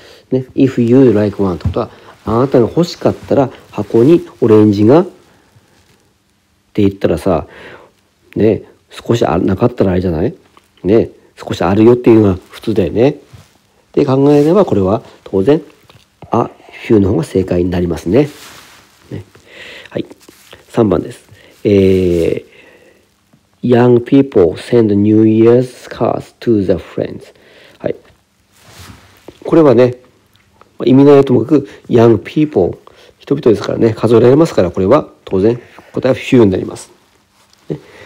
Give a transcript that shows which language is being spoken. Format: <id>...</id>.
<ja>ね、</ja> <en>if you like one</en> <ja>ってことは、あなたが欲しかったら箱にオレンジがって言ったらさ、ね、少しなかったらあれじゃない、ね、少しあるよっていうのが普通だよね。で考えれば、これは当然あ、フューの方が正解になります ね、 ね。はい、3番です。</ja> <en>Young people send New Year's cards to their friends。</en> <ja>はい、これはね、意味ないともかく、</ja> <en>young people、</en> <ja>人々ですからね、数えられますから、これは当然、答えは few になります、ね。</ja>